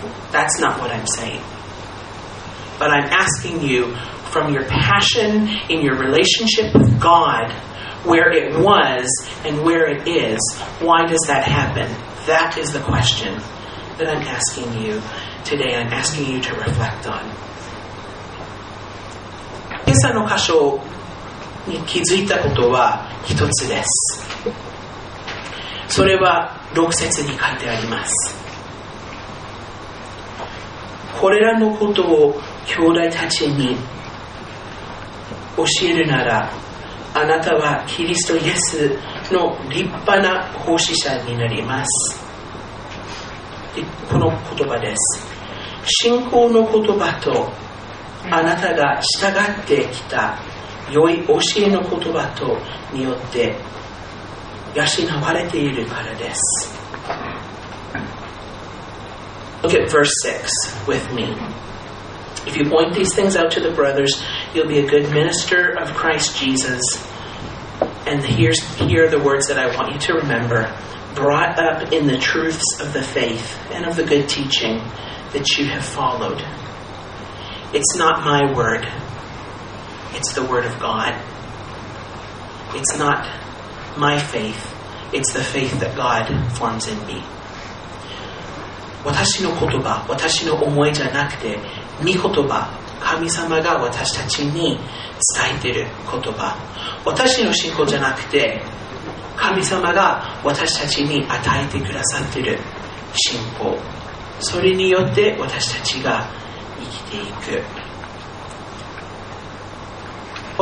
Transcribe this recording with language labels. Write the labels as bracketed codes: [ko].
[en] That's not what I'm saying. But I'm asking you, from your passion in your relationship with God, where it was and where it is, why does that happen? That is the question that I'm asking you today. I'm asking you to reflect on. [ja] 今朝の箇所に気づいたことは一つです。それは6節に書いてあります。これらのことを兄弟たちに教えるなら、あなたはキリストイエスの立派な奉仕者になります。この言葉です。信仰の言葉と、あなたが従ってきた良い教えの言葉とによって養われているからです。 [en] Look at verse 6 with me. If you point these things out to the brothers, you'll be a good minister of Christ Jesus. And here are the words that I want you to remember, brought up in the truths of the faith and of the good teaching that you have followed. It's not my word. It's the word of God. It's not my faith. It's the faith that God forms in me. [ja] 私の言葉、私の思いじゃなくて、御言葉、神様が私たちに伝えている言葉、私の信仰じゃなくて神様が私たちに与えてくださっている信仰、それによって私たちが生きていく。